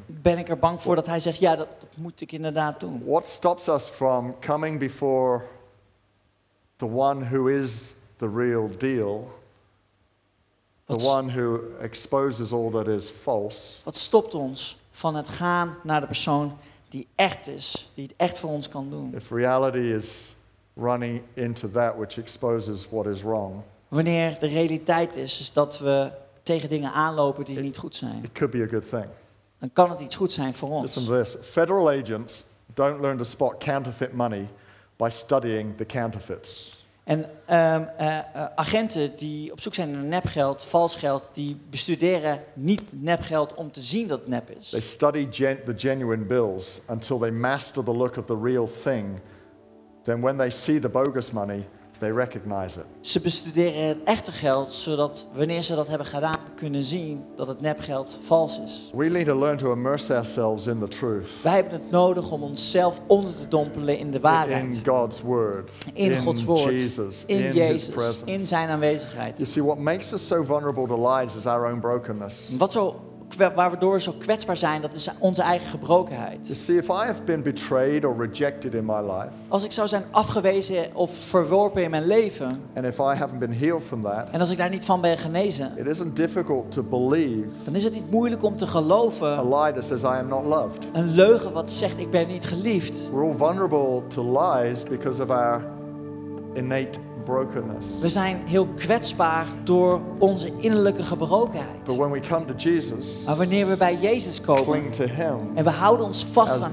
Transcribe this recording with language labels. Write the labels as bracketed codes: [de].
[nl] Ben ik er bang voor dat hij zegt, ja, dat moet ik inderdaad doen? [en] What stops us from coming before the one who is the real deal? The one who exposes all that is false. [nl] Wat stopt ons van het gaan naar de persoon die echt is, die het echt voor ons kan doen? [en] If reality is running into that which exposes what is wrong. [nl] Wanneer de realiteit is dat we tegen dingen aanlopen die niet goed zijn. [en] It could be a good thing. [nl] Dan kan het iets goed zijn voor ons. [en] Listen to this. Federal agents don't learn to spot counterfeit money by studying the counterfeits. [nl] En agenten die op zoek zijn naar nepgeld, vals geld, die bestuderen niet nepgeld om te zien dat het nep is. [en] They study the genuine bills until they master the look of the real thing. Then when they see the bogus money, they recognize it. [nl] Ze bestuderen het echte geld, zodat wanneer ze dat hebben gedaan, kunnen zien dat het nepgeld vals is. [en] We need to learn to immerse ourselves in the truth. [nl] Wij hebben het nodig om onszelf onder te dompelen in de waarheid. [en] In God's word. [nl] In Gods woord. [en] Jesus, [nl] in Jezus. In zijn aanwezigheid. [en] You see, what makes us so vulnerable to lies is our own brokenness. [nl] Waardoor we zo kwetsbaar zijn, dat is onze eigen gebrokenheid. [en] You see, if I have been betrayed or rejected in my life, [nl] als ik zou zijn afgewezen of verworpen in mijn leven, [en] and if I haven't been healed from that, [nl] en als ik daar niet van ben genezen, [en] it isn't difficult to believe, [nl] dan is het niet moeilijk om te geloven, [en] a lie that says I am not loved. [nl] Een leugen wat zegt ik ben niet geliefd. [en] We're all vulnerable to lies because of our innate brokenness. [nl] We zijn heel kwetsbaar door onze innerlijke gebrokenheid. [en] But when we come to Jesus, [nl] maar wanneer we bij Jezus komen, [en] cling to him, [nl] en we houden ons vast aan